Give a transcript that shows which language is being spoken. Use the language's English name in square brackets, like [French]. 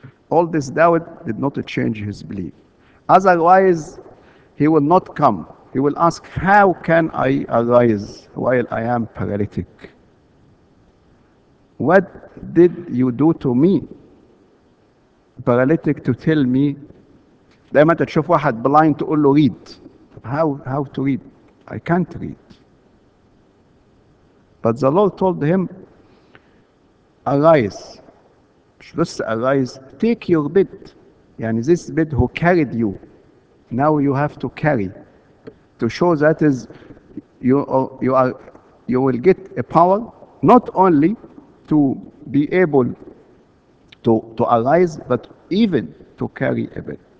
[English] All this doubt did not change his belief. Otherwise, he will not come. He will ask, "How can I arise while I am paralytic? What did you do to me, paralytic, to tell me?" [Arabic] دائما تشوف واحد blind تقول له read. [English] How to read? I can't read. But the Lord told him, arise. Just arise, take your bed. Yani this bed who carried you, now you have to carry. To show that is, you will get a power, not only to be able to arise, but even to carry a bed.